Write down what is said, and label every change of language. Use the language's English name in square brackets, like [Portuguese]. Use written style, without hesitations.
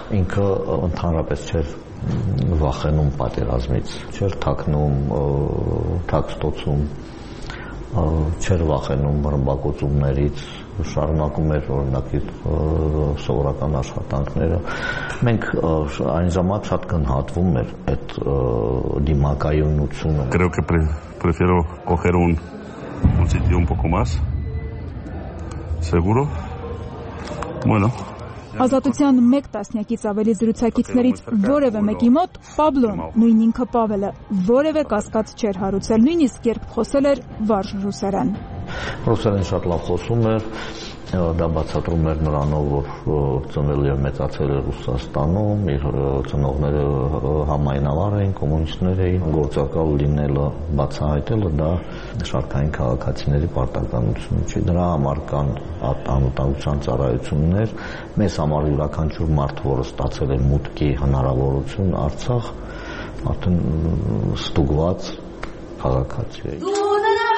[Armenian] Ինքը ընդհանրապես չէր վախենում պատերազմից, չէր թաքնում, թաքստոցում, չէր վախենում ռմբակոծումներից, շարունակում էր օրինակ սովորական աշխատանքները։ Մենք այն ժամանակ շատ գնահատվում էր այդ դիմակայունությունը։ [Spanish] Creo que prefiero coger un sitio un poco más seguro. Bueno, [Armenian] ազատության մեկ տասնյակից ավելի զրուցակիցներից որևէ մեկի մոտ Պաբլոն, նույն ինքը Պավելը, որևէ կասկած չէր հարուցել, նույնիսկ երբ խոսել էր վարժ ռուսերեն։ Ռուսերեն շատ լավ խոսում էր, դա բացատրում էր նրանով, որ ծնվել և մեծացել էր Ռուսաստանում, իր ծնողները համայնավար էին, կոմունիստներ էին, գործակալ լինելը, բացահայտելը, դա շարքային քաղաքացիների պարտականություն չէ, դրա համար կան անվտանգության ծառայություններ, մեզ համար յուրաքանչյուր մարդ, որը ստացել է մուտքի հնարավորություն Արցախ, արդեն ստուգված քաղաքացի է։